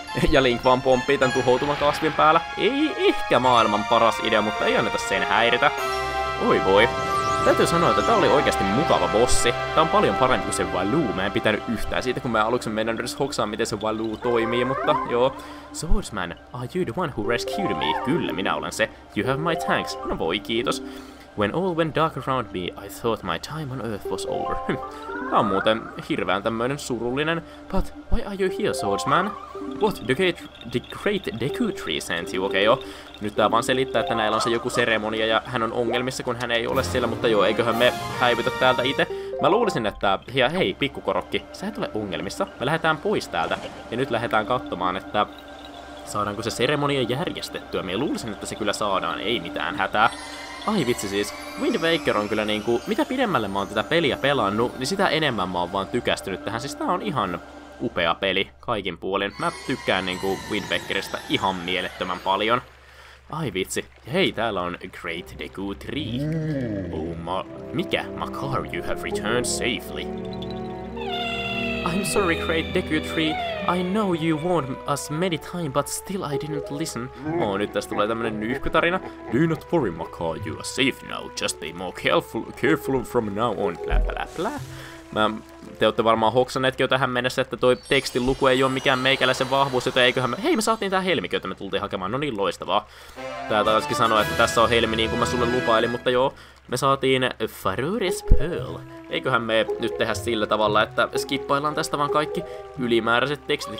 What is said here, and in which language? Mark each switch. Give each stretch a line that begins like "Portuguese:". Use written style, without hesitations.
Finnish: Ja Link vaan pomppii tän tuhoutuman kasvin päällä. Ei ehkä maailman paras idea, mutta ei anneta sen häiritä. Oi voi. Täytyy sanoa, että tää oli oikeasti mukava bossi. Tää on paljon parempi kuin se Waluu. Mä en pitänyt yhtään siitä, kun mä aluksi mennään edes hoksaan, miten se Waluu toimii, mutta joo.
English: Swordsman, are you the one who rescued me?
Finnish: Kyllä, minä olen se.
English: You have my thanks.
Finnish: No voi, kiitos.
English: When all went dark around me, I thought my time on Earth was over.
Finnish: Tää on muuten hirveän tämmöinen surullinen.
English: But why are you here, Swordsman? What? The great Deku Tree sent you.
Finnish: Okay, joo. Nyt tää vaan selittää, että näillä on se joku seremonia ja hän on ongelmissa, kun hän ei ole siellä, mutta joo, eiköhän me häivytä täältä itse. Mä luulisin, että hei, pikkukorokki, sä et ole ongelmissa. Me lähdetään pois täältä ja nyt lähdetään katsomaan, että saadaanko se seremonia järjestettyä. Mä luulisin, että se kyllä saadaan, ei mitään hätää. Ai vitsi siis, Wind Waker on kyllä niinku, mitä pidemmälle mä oon tätä peliä pelannut, niin sitä enemmän mä oon vaan tykästynyt tähän. Siis tää on ihan upea peli kaikin puolin. Mä tykkään niinku Wind Wakerista ihan mielettömän paljon. Ai vitsi, hei täällä on Great Deku Tree. Oh ma... Mikä?
English: Makar, you have returned safely. I'm sorry, Great Deku Tree. I know you warned us many times, but still I didn't listen.
Finnish: Oh, nyt tästä tulee tämmönen nyyhkytarina.
English: Do not worry, Makar, you are safe now. Just be more careful from now on. Blah, blah, blah.
Finnish: Te olette varmaan hoksanneetkin jo tähän mennessä, että toi tekstin luku ei ole mikään meikäläisen vahvuus, joten eiköhän me... Hei, me saatiin tää Helmi, jota me tultiin hakemaan. No niin, loistavaa. Tää taaskin sanoa, että tässä on Helmi niin kuin mä sulle lupailin, mutta joo. Me saatiin Faruris Pearl. Eiköhän me nyt tehdä sillä tavalla, että skippaillaan tästä vaan kaikki ylimääräiset tekstit.